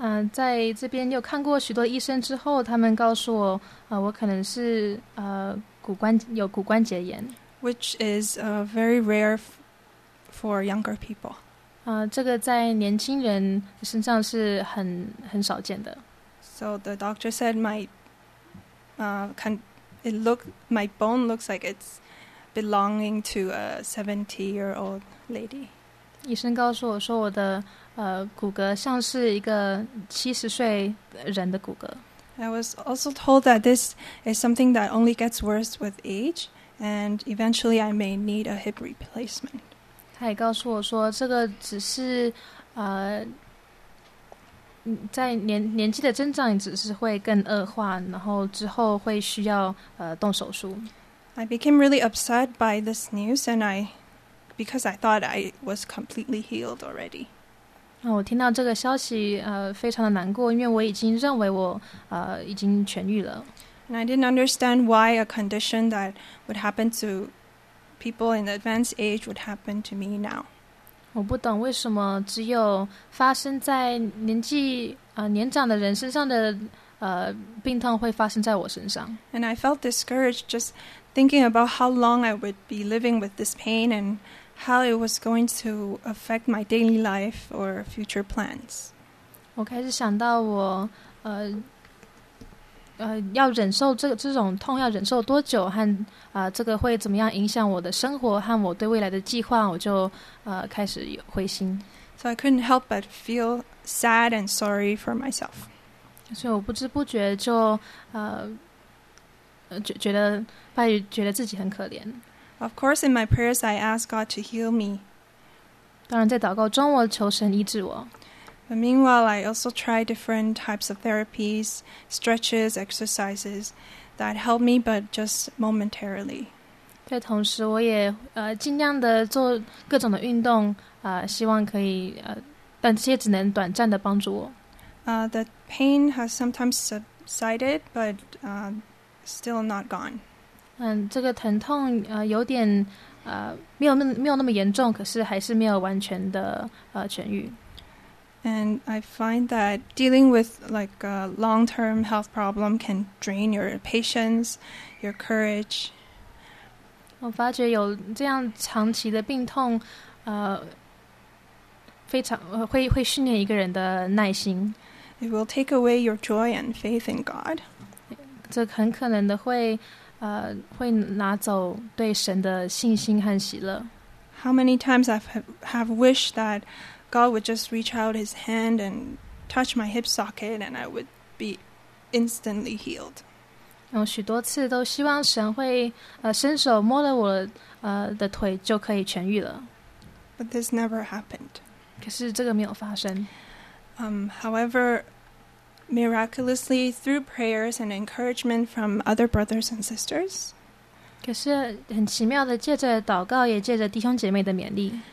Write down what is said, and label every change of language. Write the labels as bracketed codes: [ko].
[zh] 在这边又看过许多医生之后，他们告诉我，我可能是骨关节炎。 [en] Which is very rare for younger people. [zh] 这个在年轻人身上是很少见的。 [en] So the doctor said my bone looks like it's belonging to a 70-year-old lady. [zh] 医生告诉我说我的骨骼像是一个70岁人的骨骼。 [en] I was also told that this is something that only gets worse with age, and eventually I may need a hip replacement. [zh] 他也告诉我说这个只是在年纪的增长只是会更恶化，然后之后会需要动手术。 [en] I became really upset by this news, and because I thought I was completely healed already. [zh] 我听到这个消息非常的难过，因为我已经认为我已经痊愈了。 [en] And I didn't understand why a condition that would happen to people in advanced age would happen to me now. [zh] 我不懂为什么只有发生在年长的人身上的病痛会发生在我身上。 [en] And I felt discouraged just thinking about how long I would be living with this pain and how it was going to affect my daily life or future plans. [zh] 我开始想到我要忍受这种痛要忍受多久，和这个会怎么样影响我的生活和我对未来的计划，我就开始灰心。 [en] So I couldn't help but feel sad and sorry for myself. [zh] 所以我不知不觉就觉得自己很可怜。 [en] Of course, in my prayers, I asked God to heal me. [zh] 当然，在祷告中，我求神医治我。 [en] But meanwhile, I also try different types of therapies, stretches, exercises that help me, but just momentarily. [zh] 在同时，我也尽量的做各种的运动，希望可以但这些只能短暂的帮助我。 [en] The pain has sometimes subsided, but still not gone. [zh] 这个疼痛有点没有那么严重，可是还是没有完全的痊愈。 [en] And I find that dealing with like a long-term health problem can drain your patience, your courage. [zh] 我发觉有这样长期的病痛，非常会训练一个人的耐心。 [en] It will take away your joy and faith in God. [zh] 这很可能的会拿走对神的信心和喜乐。 [en] How many times I've wished that God would just reach out his hand and touch my hip socket and I would be instantly healed. [zh] 我许多次都希望神会伸手摸了我的腿就可以痊愈了。 [en] But this never happened. [zh] 可是这个没有发生。 [en] However, miraculously through prayers and encouragement from other brothers and sisters, [zh] 可是很奇妙的借着祷告也借着弟兄姐妹的勉励。